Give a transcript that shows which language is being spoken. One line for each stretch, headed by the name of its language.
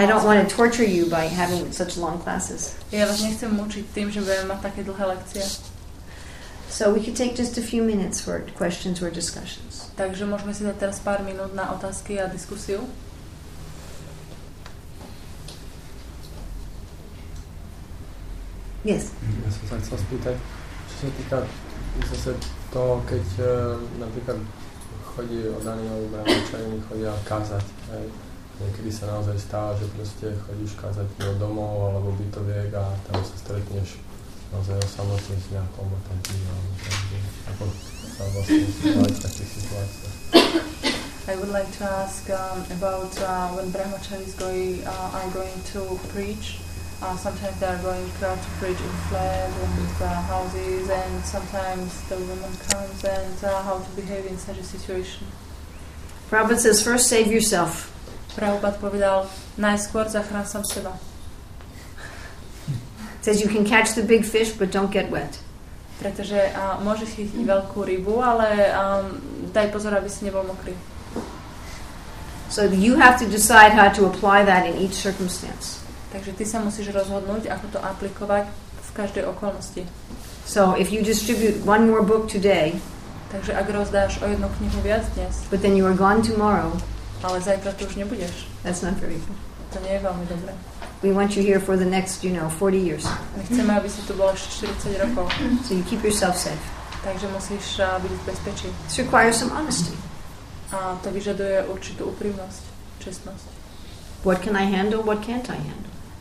English: I don't want to torture you by having such long classes.
Slovak: Ja vás nechcem mučiť tým, že budem mať také dlhé lekcie.
English: So we could take just a few minutes for questions or discussions.
Slovak: Takže môžeme si dať teraz pár minút na otázky a diskusiu.
English: Yes.
Slovak: Ja som sa chcel spýtať, čo sa týka zase to, keď napríklad chodí od Daniel Bramčani, chodia kázať. Aj, niekedy sa naozaj stáva, že proste chodíš kázať do domov alebo bytoviek a tam sa stretneš naozaj osamotne s nejakom a tam ako sa vlastne spávať v takých situáciách.
English: I would like to ask about when Bramčani are going to preach. Sometimes they are going to preach in flats and with houses, and sometimes the woman comes, and how to behave in such a situation. Prabhupada says, first save yourself.
Slovak: Prabhupada povedal, najskôr zachráň sám seba.
English: Says you can catch the big fish, but don't get wet.
Slovak: Pretože môžeš chytiť veľkú rybu, ale daj pozor, aby si nebol mokrý.
English: So you have to decide how to apply that in each circumstance.
Slovak: Takže ty sa musíš rozhodnúť, ako to aplikovať v každej okolnosti.
English: So if you distribute one more book today,
Slovak: takže ak rozdáš o jednu knihu viac dnes,
English: but then you are gone tomorrow,
Slovak: ale zajtra to už nebudeš.
English: That's not very good.
Slovak: To nie je veľmi dobré.
English: We want you here for the next, you know, 40 years.
Slovak: My chceme, aby si tu bola 40 rokov.
English: So you keep yourself safe.
Slovak: Takže musíš byť v bezpečí.
English: It requires some honesty.
Slovak: A to vyžaduje určitú úprimnosť, čestnosť.
English: What can I handle, what can't I handle?